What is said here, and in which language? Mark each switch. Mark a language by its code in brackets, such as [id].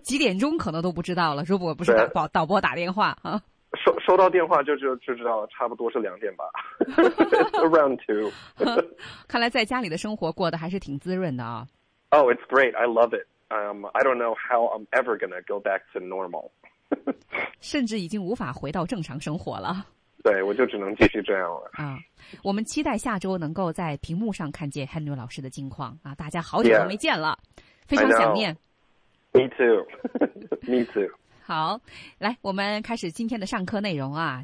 [zh] 几点钟可能都不知道了，如果不是导播打电话啊。收到电话就知道差不多是2点吧。 [en] Around two. [zh] 看来在家里的生活过得还是挺滋润的啊。 [en] Oh, it's great. I love it. I don't know how I'm ever gonna go back to normal. [zh] 甚至已经无法回到正常生活了。对，我就只能继续这样了。啊，我们期待下周能够在屏幕上看见 Henry 老师的近况啊！大家好久都没见了， [en] yeah, [zh] 非常想念。 [en] Me too. Me too. [zh] 好，来，我们开始今天的上课内容啊！